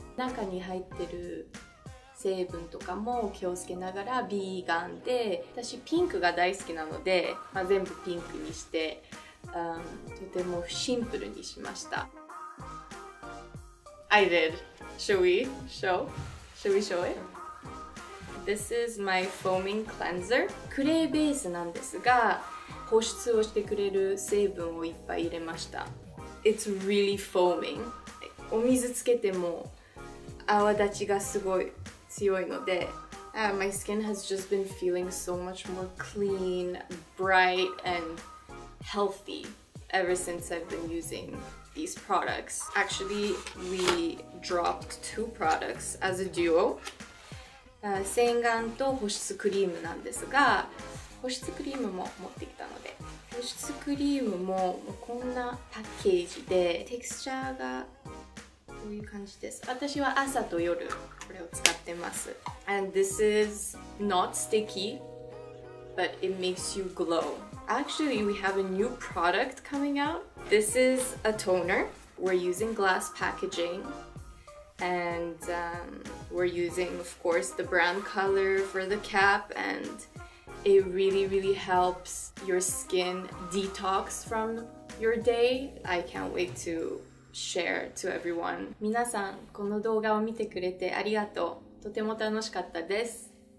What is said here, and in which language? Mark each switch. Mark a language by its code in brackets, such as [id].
[ja] 中に入ってる成分とかも気をつけながらビーガンで、私ピンクが大好きなので、まあ、全部ピンクにして、とてもシンプルにしました。 [en] I did. Shall we show it? This is my foaming cleanser. [ja] クレーベースなんですが、保湿をしてくれる成分をいっぱい入れました。 [en] It's really foaming. [ja] お水つけても泡立ちがすごい強いので、 [en] my skin has just been feeling so much more clean, bright, and healthy ever since I've been using these products. Actually, we dropped two products as a duo. [ja] 洗顔と保湿クリームなんですが、保湿クリームも持ってきたので、保湿クリームもこんなパッケージで、テクスチャーがこういう感じです。私は朝と夜これを使ってます。 [en] And this is not sticky, but it makes you glow. Actually, we have a new product coming out. This is a toner. We're using glass packagingAnd、we're using, of course, the brown color for the cap, and it really, really helps your skin detox from your day. I can't wait to share to everyone. [ja] 皆さん、この動画を見てくれてありがとう。とても楽しかったです。